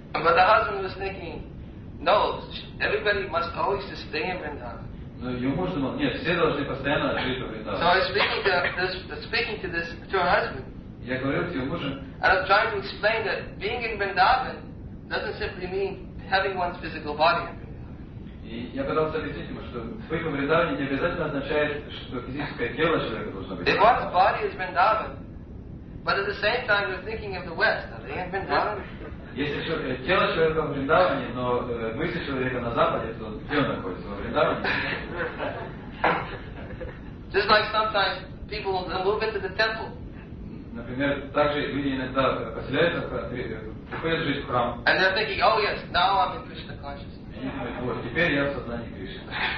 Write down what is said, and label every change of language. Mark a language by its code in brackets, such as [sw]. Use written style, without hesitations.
[en] But the husband was thinking, no, everybody must always just stay in Vrindavan. [ru] Но ее муж думал, нет, все должны постоянно жить в Вриндаване. [en] So I was speaking to her husband. [ru] Я говорил с ее мужем. [en] And I'm trying to explain that being in Vrindavan doesn't simply mean having one's physical body in Vrindavan. [ru] И я пытался объяснить ему, что быть в Вриндаване не обязательно означает, что физическое тело человека должно быть. [en] If one's body is Vrindavan, but at the same time you're thinking of the West, are they in Vrindavan? [ru] Если тело человека в Вриндаване, но мысли человека на Западе, то где он находится? Во Вриндаване? [en] Just like sometimes people will move into the temple. [ru] Например, также люди иногда поселяются в храм, приходят жить в храм. [en] And they're thinking, oh yes, now I'm in Krishna consciousness. [ru] Вот, теперь я в сознании Кришны.